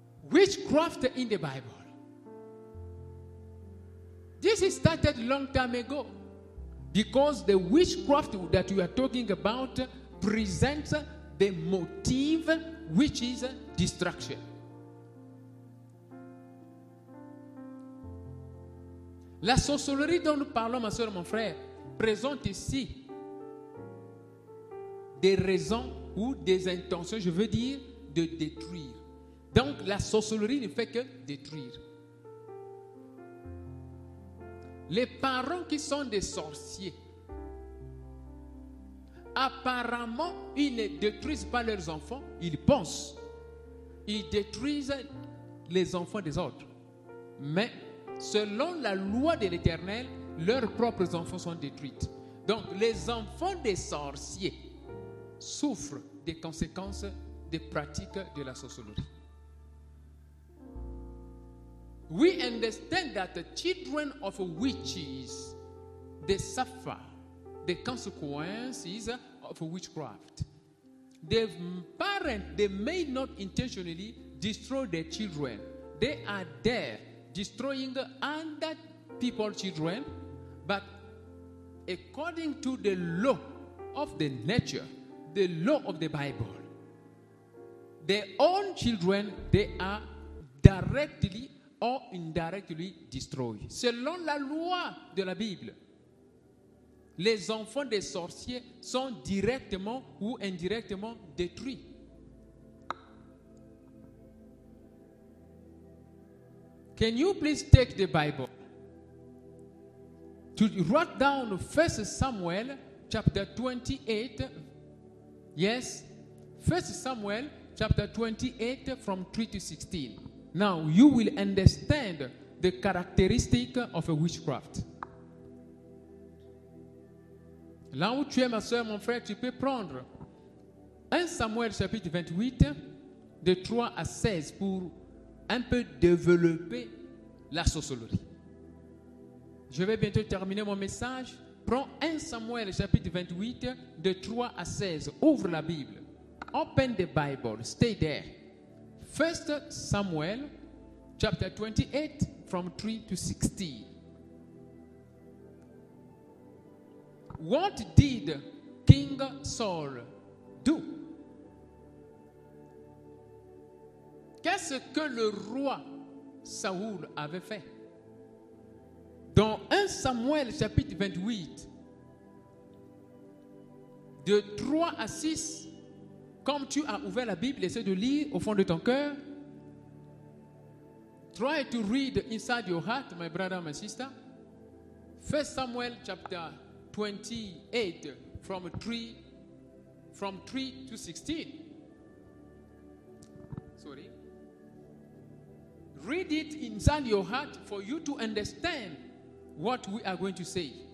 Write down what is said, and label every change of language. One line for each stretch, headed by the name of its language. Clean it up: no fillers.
English: Witchcraft in the Bible. This is started long time ago because the witchcraft that we are talking about presents the motive, which is destruction.
French: La sorcellerie dont nous parlons, ma soeur et mon frère, présente ici des raisons ou des intentions, je veux dire, de détruire. Donc, la sorcellerie ne fait que détruire. Les parents qui sont des sorciers, apparemment, ils ne détruisent pas leurs enfants, ils pensent. Ils détruisent les enfants des autres. Mais selon la loi de l'Éternel, leurs propres enfants sont détruits. Donc, les enfants des sorciers souffrent des conséquences des pratiques de la sorcellerie.
English: We understand that the children of witches, they suffer the consequences of witchcraft. Their parents, they may not intentionally destroy their children. They are there destroying other people's children, but according to the law of the nature, the law of the Bible, their own children, they are directly or indirectly destroyed.
French: Selon la loi de la Bible, les enfants des sorciers sont directement ou indirectement détruits.
English: Can you please take the Bible to write down 1 Samuel chapter 28? Yes, 1 Samuel chapter 28 from 3 to 16. Now you will understand the characteristic of a witchcraft.
French: Là où tu es, ma soeur, mon frère, tu peux prendre 1 Samuel chapitre 28 de 3 à 16 pour un peu développer la sorcellerie. Je vais bientôt terminer mon message. Prends 1 Samuel chapitre 28 de 3 à 16. Ouvre la Bible.
English: Open the Bible. Stay there. 1 Samuel chapter 28 from 3 to 16. What did King Saul do?
French: Qu'est-ce que le roi Saoul avait fait? Dans 1 Samuel chapitre 28, de 3 à 6, comme tu as ouvert la Bible, essaie de lire au fond de ton cœur.
English: Try to read inside your heart, my brother and my sister. 1 Samuel chapter 28 from 3 to 16. Sorry. Read it inside your heart for you to understand what we are going to say.